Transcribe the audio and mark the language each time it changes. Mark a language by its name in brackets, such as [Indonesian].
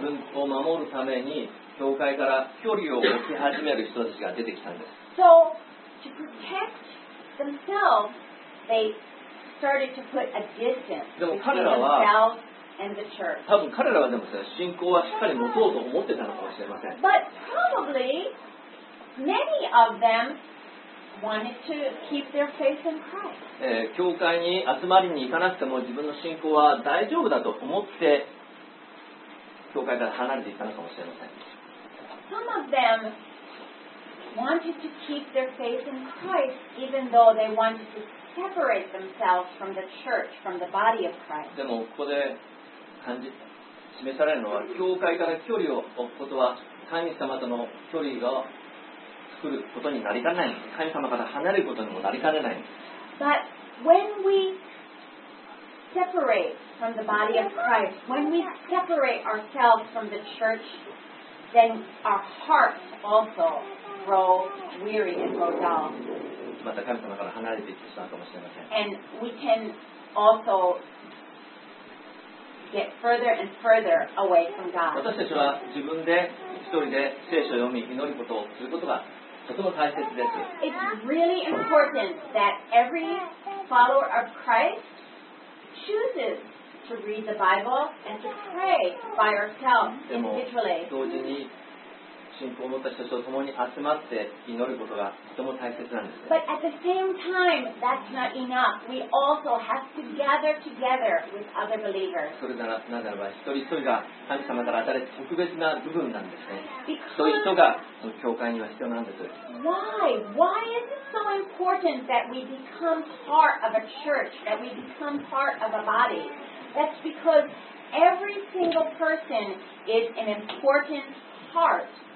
[Japanese] 自分を守るために教会から距離を置き始める人たちが出てきたんです。 [English] So, to protect themselves, they started to put a distance between themselves and the church. [Japanese] 多分彼らはでも信仰はしっかり持とうと思ってたのかもしれません。 [English] But probably many of them wanted to keep their faith in Christ. [Japanese] 教会に集まりに行かなくても自分の信仰は大丈夫だと思って教会から離れていったのかもしれません。 [English] Some of them wanted to keep their faith in Christ even though they wanted to separate themselves from the church, from the body of Christ. [Japanese] でもここで示されるのは教会から距離を置くことは神様との距離が深作ることになりかねない。神様から離れることにもなりかねない。 [English] But when we separate from the body of Christ, when we separate ourselves from the church, then our hearts also grow weary and grow dull. [Japanese] また神様から離れていってしまうかもしれません。 [English] And we can also get further and further away from God. [Japanese] 私たちは自分で一人で聖書を読み祈ることをすることがとても大切です。 [English] It's really important that every follower of Christ chooses to read the Bible and to pray by ourselves individually. [Japanese] 同時に信仰を持った人たちと共に集まって祈ることがとても大切なんです。 [English] But at the same time, that's not enough. We also have to gather together with other believers. [Japanese] それならなぜならば一人一人が神様から与えた特別な部分なんですね。そういう人が教会には必要なんです。 [English] Why? Why is it so important that we become part of a church? That we become part of a body? That's because every single person is an important part.